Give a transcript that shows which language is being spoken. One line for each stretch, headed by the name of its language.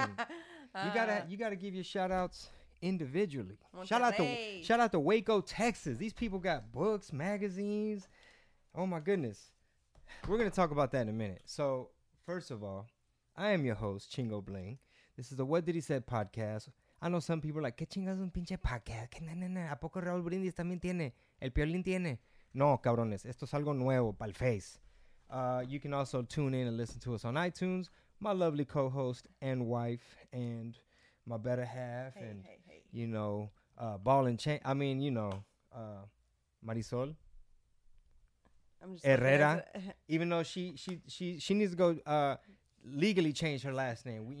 English: You gotta give your shout outs individually. Shout out to Waco, Texas. These people got books, magazines. Oh my goodness. We're gonna talk about that in a minute. So, first of all, I am your host, Chingo Bling. This is the What Did He Said podcast.
Spanish: I know some people are like, ¿qué chingas un pinche podcast? ¿Qué nana? ¿A poco Raúl Brindis también tiene? ¿El Piolín tiene? No, cabrones, esto es algo nuevo para el face.
English: You can also tune in and listen to us on iTunes. My lovely co-host and wife and my better half you know, Ball and Chain. I mean, you know, Marisol Herrera. Even though she needs to go legally change her last name.